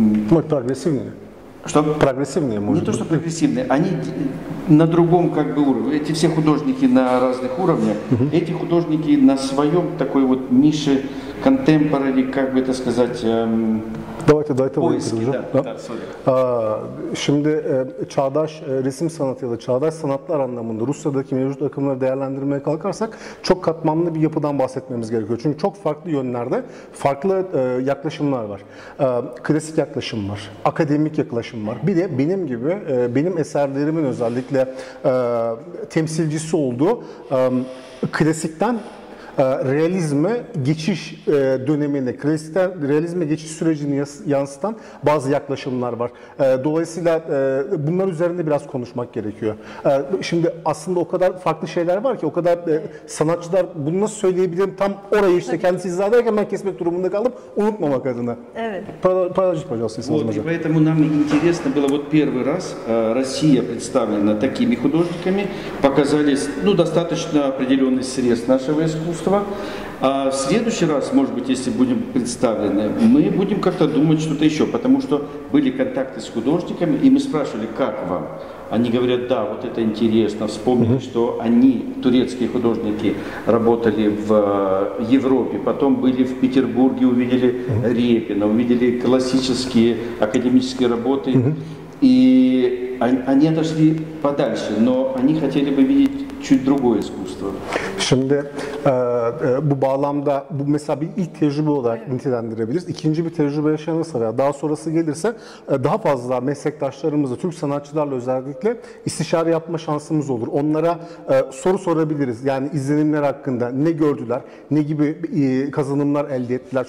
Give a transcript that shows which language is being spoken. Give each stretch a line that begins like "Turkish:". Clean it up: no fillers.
Russian: Вот прогрессивные. Что? Прогрессивные, может быть. Не то, что прогрессивные, они на другом как бы уровне. Эти все художники на разных уровнях. Эти художники на своем такой вот нише contemporary, как бы это сказать, Давайте до этого поиски, уже. Да,
Turkish: Şimdi çağdaş resim sanatı ya da çağdaş sanatlar anlamında Rusya'daki mevcut akımları değerlendirmeye kalkarsak çok katmanlı bir yapıdan bahsetmemiz gerekiyor. Çünkü çok farklı yönlerde farklı yaklaşımlar var. Klasik yaklaşım var, akademik yaklaşım var. Bir de benim gibi, benim eserlerimin özellikle temsilcisi olduğu klasikten realizme geçiş dönemini, klasikten realizme geçiş sürecini yansıtan bazı yaklaşımlar var. Dolayısıyla bunlar üzerinde biraz konuşmak gerekiyor. Şimdi aslında o kadar farklı şeyler var ki, o kadar sanatçılar bunu nasıl söyleyebilirim tam orayı işte kendisi izah ederken ben kesmek durumunda kaldım unutmamak adına. Evet. Paylaşıp hocam.
Russian: Вот, и поэтому нам интересно было вот первый раз Россия представлена такими художниками, показались, ну, достаточно определенный срез нашего искусства. А в следующий раз, может быть, если будем представлены, мы будем как-то думать что-то еще, потому что были контакты с художниками, и мы спрашивали, как вам? Они говорят, да, вот это интересно, вспомнили, mm-hmm. что они, турецкие художники, работали в Европе, потом были в Петербурге, увидели mm-hmm. Репина, увидели классические академические работы, mm-hmm. и они отошли подальше, но они хотели бы видеть чуть другое искусство.
Turkish: Şimdi bu bağlamda bu mesela bir ilk tecrübe olarak nitelendirebiliriz. İkinci bir tecrübe yaşanırsa veya daha sonrası gelirse daha fazla meslektaşlarımızla, Türk sanatçılarla özellikle istişare yapma şansımız olur. Onlara soru sorabiliriz. Yani izlenimler hakkında ne gördüler, ne gibi kazanımlar elde ettiler.